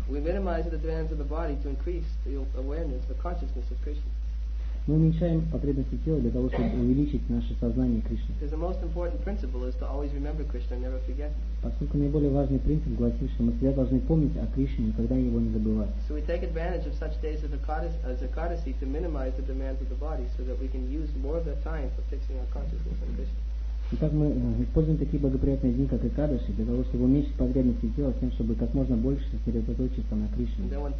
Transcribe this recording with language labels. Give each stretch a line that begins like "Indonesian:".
English: We minimize the demands of the body to increase the awareness, the consciousness of Krishna.
Russian: Мы уменьшаем потребности тела для того, чтобы увеличить наше сознание Кришны.
English: The most important principle is to always remember Krishna, never forget.
Russian: Поскольку наиболее важный принцип гласит, что мы всегда должны помнить о Кришне, никогда его не забывать.
English: So we take advantage of such days as Ekadasi to minimize the demands of the body, so that we can use more of that time for fixing our consciousness on Krishna.
Russian: Итак, мы используем такие благоприятные дни, как Экадаши, для того, чтобы уменьшить потребности тела, тем, чтобы как можно больше сосредоточиться на Кришне.